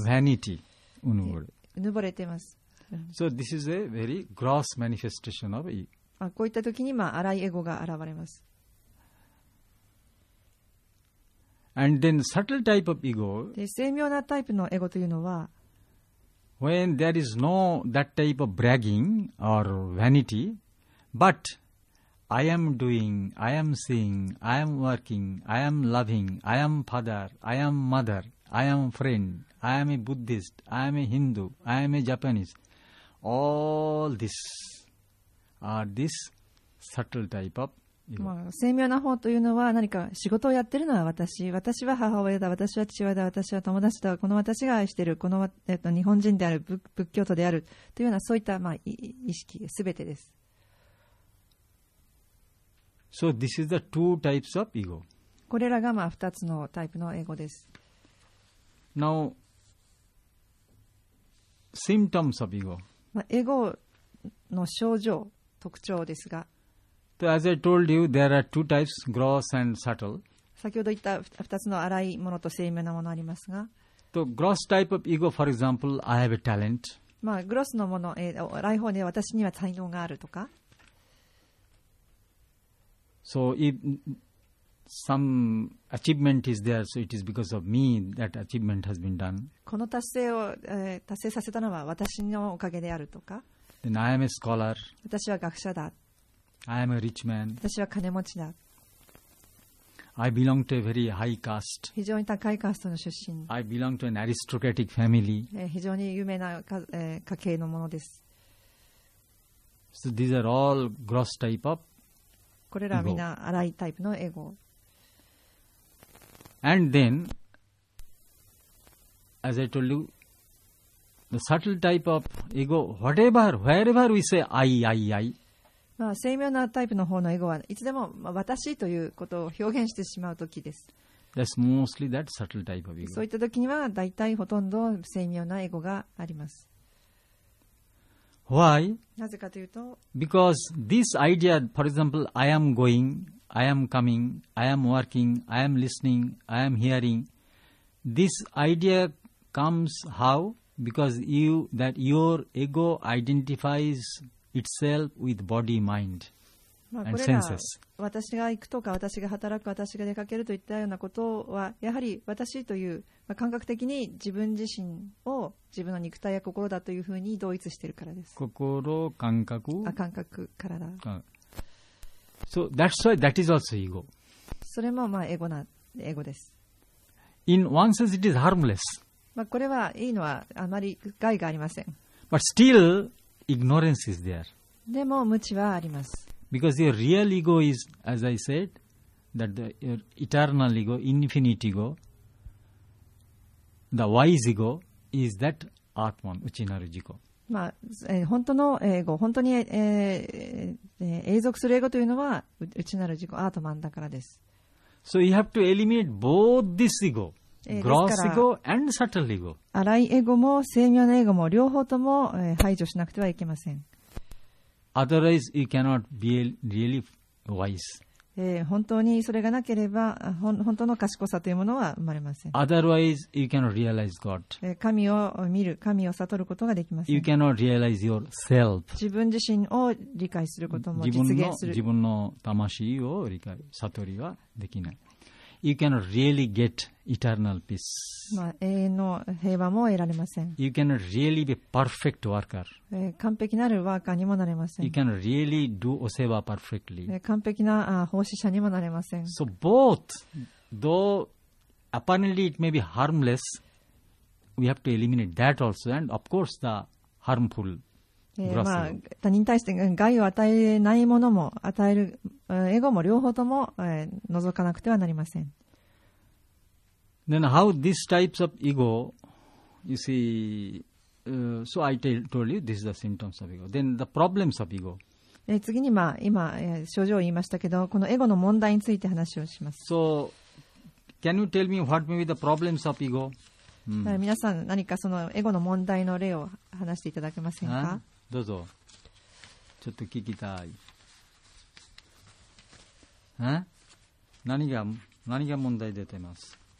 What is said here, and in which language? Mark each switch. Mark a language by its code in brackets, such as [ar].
[en] Vanity, [ja] うぬぼれ。うぬぼれています。 [en] So this is a very gross manifestation of ego. [ja] まあ、こういった時に、まあ、荒いエゴが現れます。 [en] And then subtle type of ego, [ja] で精妙なタイプのエゴというのは、 [en] when there is no that type of bragging or vanity, butI am doing, I am seeing, I am working, I am loving, I am father, I am mother, I am friend, I am a Buddhist, I am a Hindu, I am a Japanese. All this are this subtle type of ego. [ja] まあ、精妙な方というのは何か仕事をやってるのは私、私は母親だ、私は父親だ、私は友達だ、この私が愛してる、この、日本人である、仏教徒であるというようなそういった、まあ、意識、すべてです。 [en] So this is the two types of ego. [ja] これらがまあ二つのタイプのエゴです。 [en] Now, symptoms of ego. [ja] まあ、エゴの症状、特徴ですが。 [en] So as I told you, there are two types, gross and subtle. [ja] 先ほど言った二つの荒いものと精妙なものありますが。 [en] So gross type of ego, for example, I have a talent. [ja] まあ、グロスのもの、荒い方で私には才能があるとか。 [en] So if some achievement is there, so it is because of me that achievement has been done. [ja] この達成を、達成させたのは私のおかげであるとか。 [en] Then I am a scholar. [ja] 私は学者だ。 [en] I am a rich man. [ja] 私は金持ちだ。 [en] I belong to a very high caste. [ja] 非常に高いカーストの出身。 [en] I belong to an aristocratic family. [ja] 非常に有名な家系のものです。 [en] So these are all gross type of. [ja] これらはみんな荒いタイプのエゴ。 [en] And then, as I told you, the subtle type of ego, whatever, wherever we say I. [ja] まあ、精妙なタイプの方のエゴはいつでも、まあ、私ということを表現してしまうときです。 [en] That's mostly that subtle type of ego. [ja] そういったときには大体ほとんど精妙なエゴがあります。 [en] Why? [ja] なぜかというと、 [en] because this idea, for example, I am going, I am coming, I am working, I am listening, I am hearing. This idea comes how? Because you, that your ego identifies itself with body, mind, and senses. [ja] 私が行くとか、私が働く、私が出かけるといったようなことは、やはり私という、まあ、感覚的に自分自身を自分の肉体や心だというふうに同一しているからです。心、感覚。あ、感覚、体。 [en] So that's why that is also ego. [ja] それもまあエゴな、エゴです。 [en] In one sense, it is harmless. [ja] まあこれはいいのはあまり害がありません。 [en] But still, ignorance is there. [ja] でも無知はあります。 [en] Because your real ego is, as I said, that the, your eternal ego, infinite ego, the wise ego, is that Atman, Uchinaru Jiko. [ja] まあ、本当のエゴ、本当に、永続するエゴというのは、Uchinaru Jiko、Atman だからです。 [en] So you have to eliminate both this ego, gross ego and subtle ego. [ja] 荒いエゴも精妙なエゴも両方とも、排除しなくてはいけません。 [en] Otherwise, you cannot be really wise. [ja] 本当にそれがなければ、本当の賢さというものは生まれません。 [en] Otherwise, you cannot realize God. [ja] 神を見る、神を悟ることができません。 [en] You cannot realize yourself. [ja] 自分自身を理解することも実現する。自分の魂を理解、悟りはできない。 [en] You cannot really get eternal peace. [ja] まあ、永遠の平和も得られません。 [en] You cannot really be perfect worker. [ja] 完璧なるワーカーにもなれません。 [en] You cannot really do oseva perfectly. [ja] 完璧な奉仕者にもなれません。 [en] So both, though apparently it may be harmless, we have to eliminate that also, and of course the harmful [ja] まあ、他人に対して害を与えないものも与えるエゴも両方とも、除かなくてはなりません。 [en] Then how these types of ego you see、so I told you this is the symptoms of ego. Then the problems of ego. [ja] 次に、まあ、今、症状を言いましたけど、このエゴの問題について話をします。 [en] So, can you tell me what may be the problems of ego?、 Mm. [ja] 皆さん、何かそのエゴの問題の例を話していただけませんか、どうぞ。ちょっと聞きたい。何が問題出てます?